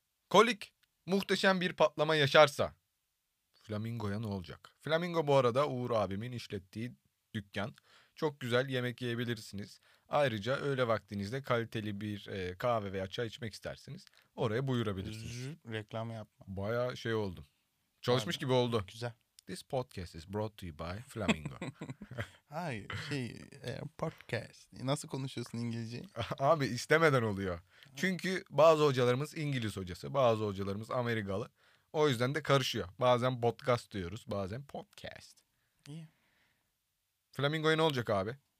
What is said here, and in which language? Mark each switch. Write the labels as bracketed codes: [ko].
[tr] Kolik muhteşem bir patlama yaşarsa. Flamingo'ya ne olacak? Flamingo bu arada Uğur abimin işlettiği dükkan. Çok güzel yemek yiyebilirsiniz. Ayrıca öğle vaktinizde kaliteli bir kahve veya çay içmek isterseniz oraya buyurabilirsiniz. Reklam yapma. Bayağı şey oldum. Çalışmış abi, gibi oldu. Güzel. [en] This podcast is brought to you by Flamingo. [tr] Hayır şey podcast. Nasıl konuşuyorsun İngilizce? Abi istemeden oluyor. Çünkü bazı hocalarımız İngiliz hocası, bazı hocalarımız Amerikalı. O yüzden de karışıyor. Bazen podcast diyoruz, bazen podcast. İyi. Flamingo'ya ne olacak abi?